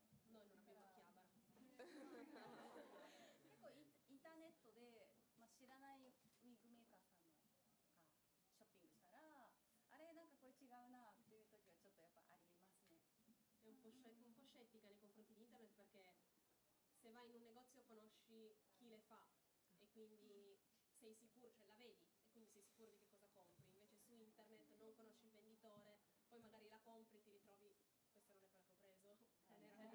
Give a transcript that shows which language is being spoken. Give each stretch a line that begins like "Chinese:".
Italian: Noi non abbiamo Akihabara. Ecco,
Japanese: internet de, ma, 知らないウィグメーカーさんのがショッピングしたら、あれなんかこれ違うなっていう時はちょっとやっぱありますね。
Italian: È un po' scettica nei confronti di internet, perché se vai in un negozio conosci chi le fa e quindi sei sicuro, cioè la vedi e quindi sei sicuro di che cosa compri. Invece su internet non conosci il venditore, poi magari la compri e ti ritrovi questa non è quella che ho preso, non era quella foto.